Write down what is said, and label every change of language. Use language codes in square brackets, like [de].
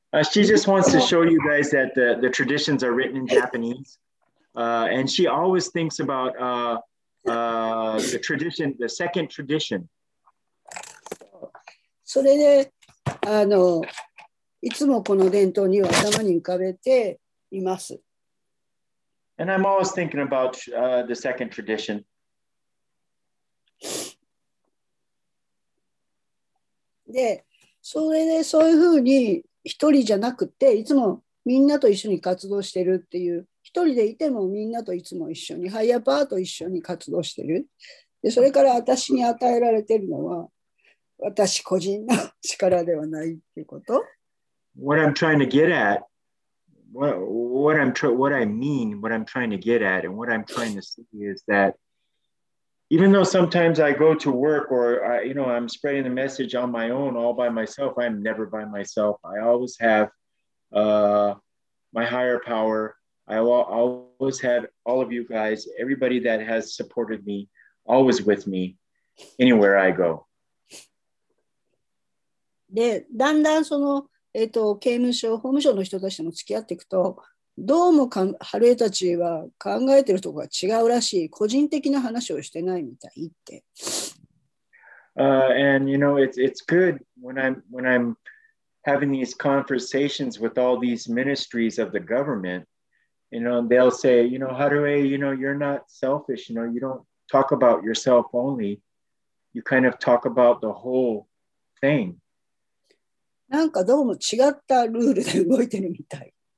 [en] She just wants to show you guys that the traditions are written in Japanese. And she always thinks about the tradition, the second tradition. [ja] それで、いつもこの伝統には頭に浮かべています。 [en] And I'm always thinking about the second tradition. [ja] で、それでそういうふうに一人じゃなくて、いつもみんなと一緒に活動してるっていう、一人でいてもみんなといつも一緒に、ハイアパーと一緒に活動してる。で、それから私に与えられてるのは、私個人の力ではないっていうこと。 [en] What I'm trying to get at, what I'm trying to get at, and what I'm trying to see is that even though sometimes I go to work or I, you know, I'm spreading the message on my own all by myself, I'm never by myself. I always have my higher power. I always have all of you guys, everybody that has supported me, always with me anywhere I go. [ja] で、だんだんその、刑務所、法務省の人たちとも付き合っていくと、どうもハルエたちは考えてるとこが違うらしい、個人的な話をしてないみたいって。 [en] And you know, it's good when I'm having these conversations with all these ministries of the government, you know, they'll say, you know, Harue, you know, you're not selfish, you know, you don't talk about yourself only, you kind of talk about the whole thing. [ja] なんかどうも違ったルールで動いてるみたい。